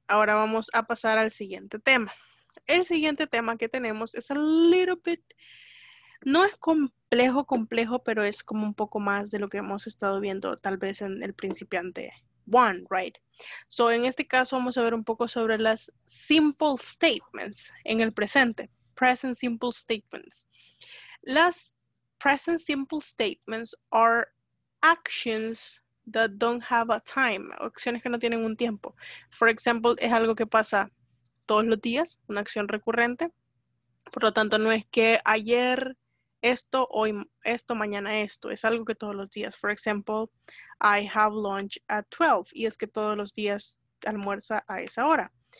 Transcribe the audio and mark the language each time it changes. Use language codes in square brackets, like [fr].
[es] Ahora vamos a pasar al siguiente tema. El siguiente tema que tenemos es [en] a little bit... [es] No es complejo, pero es como un poco más de lo que hemos estado viendo tal vez en el principiante [en] one, right? [es] So, en este caso vamos a ver un poco sobre las simple statements en el presente. [en] Present simple statements. Las present simple statements are actions that don't have a time. [es] Acciones que no tienen un tiempo. [en] For example, [es] es algo que pasa todos los días, una acción recurrente. Por lo tanto, no es que ayer... Esto hoy, esto mañana, esto. Es algo que todos los días. [en] For example, I have lunch at 12. [es] Y es que todos los días almuerza a esa hora.